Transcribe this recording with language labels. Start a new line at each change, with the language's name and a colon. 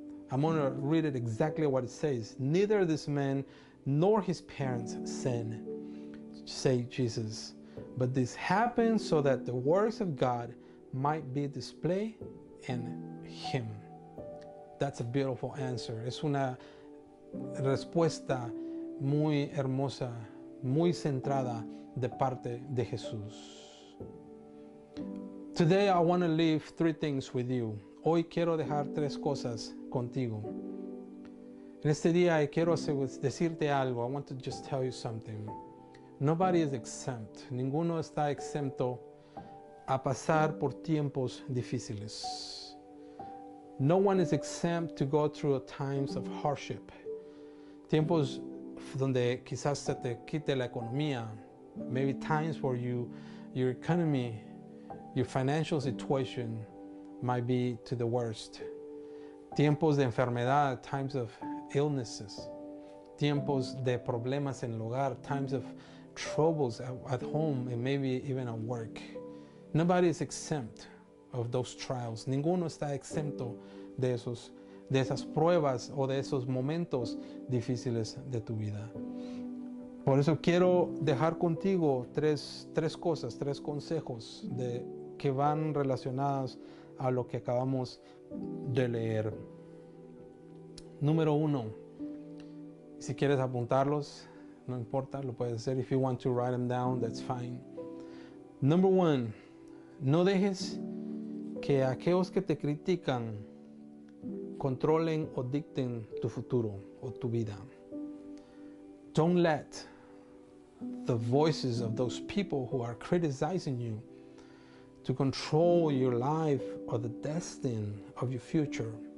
English: I'm going to read it exactly what it says. Neither this man nor his parents sin, say Jesus. But this happened so that the works of God might be displayed in him. That's a beautiful answer.
Spanish: Es una respuesta muy hermosa, muy centrada de parte de Jesús.
English: Today I want to leave three things with you.
Spanish: Hoy quiero dejar tres cosas contigo. En este día quiero decirte algo.
English: I want to just tell you something. Nobody is exempt.
Spanish: Ninguno está exento a pasar por tiempos difíciles.
English: No one is exempt to go through times of hardship.
Spanish: Tiempos donde quizás se te quite la economía.
English: Maybe times where your economy, your financial situation might be to the worst.
Spanish: Tiempos de enfermedad,
English: times of illnesses.
Spanish: Tiempos de problemas en el hogar,
English: times of troubles at home and maybe even at work. Nobody is exempt of those trials.
Spanish: Ninguno está exento de esas pruebas o de esos momentos difíciles de tu vida. Por eso quiero dejar contigo tres cosas, tres consejos de que van relacionadas a lo que acabamos de leer. Número uno, si quieres apuntarlos, no importa, lo puedes hacer.
English: If you want to write them down, that's fine. Number one,
Spanish: no dejes que aquellos que te critican controlen o dicten tu futuro o tu vida.
English: Don't let the voices of those people who are criticizing you to control your life or the destiny of your future.